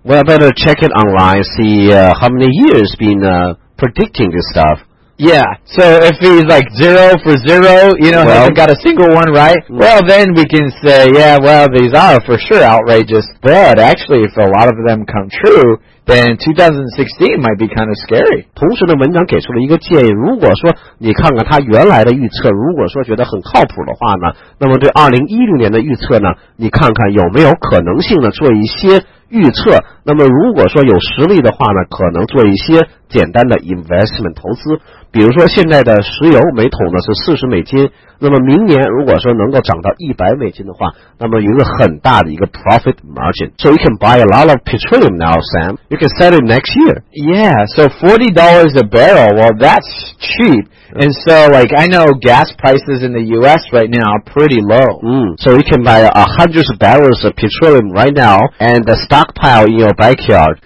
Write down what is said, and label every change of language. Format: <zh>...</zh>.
<en>Well, I better check it online, see how many years been predicting this stuff. Yeah, so if he's like zero for zero, you know, well, hasn't got a single one right, well, then we can say, yeah, well, these are for sure outrageous. But actually, if a lot of them come true, then 2016 might be kind of scary.</en> <zh>同时呢，文章给出了一个建议，如果说你看看他原来的预测，如果说觉得很靠谱的话呢，那么对2016年的预测呢，你看看有没有可能性呢，做一些预测，那么如果说有实力的话呢，可能做一些简单的 investment 投资，比如说现在的石油每桶呢是40美金，那么明年如果说能够涨到100美金的话，那么有一个很大的一个 profit margin.</zh> <en>So you can buy a lot of petroleum now, Sam. You can sell it next year. Yeah, so $40 a barrel, well, that's cheap. And so, like, I know gas prices in the U.S. right now are pretty low. So you can buy hundreds of barrels of petroleum right now and the stockpile in your backyard.</en>